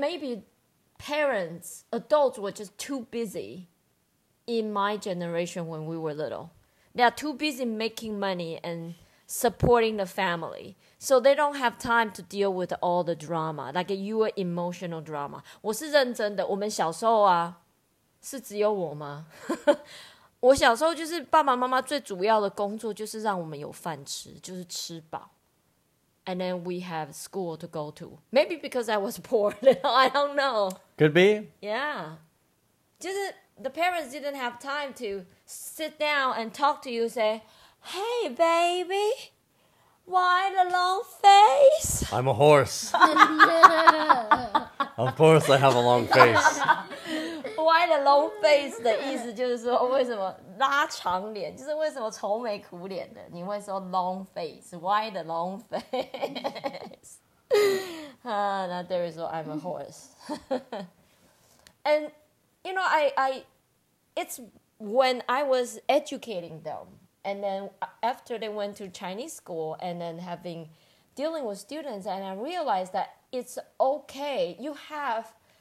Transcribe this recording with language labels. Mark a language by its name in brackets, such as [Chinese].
[English] Maybe parents, adults were just too busy in my generation when we were little. They are too busy making money and supporting the family. So they don't have time to deal with all the drama, like your emotional drama. [Chinese] 我是认真的，我们小时候啊，是只有我吗？我小时候就是爸爸妈妈最主要的工作就是让我们有饭吃，就是吃饱。 [English] And then we have school to go to. Maybe because I was poor. I don't know. Could be. Yeah. Just the parents didn't have time to sit down and talk to you and say, hey, baby, why the long face? I'm a horse. Of course I have a long face. [Chinese] Why the long face 的意思就是说为什么拉长脸，就是为什么愁眉苦脸的，你会说 [English] long face, why the long face? Now there is what I'm a horse. And, you know, it's when I was educating them, and then after they went to Chinese school, and then having dealing with students, and I realized that it's okay, you have...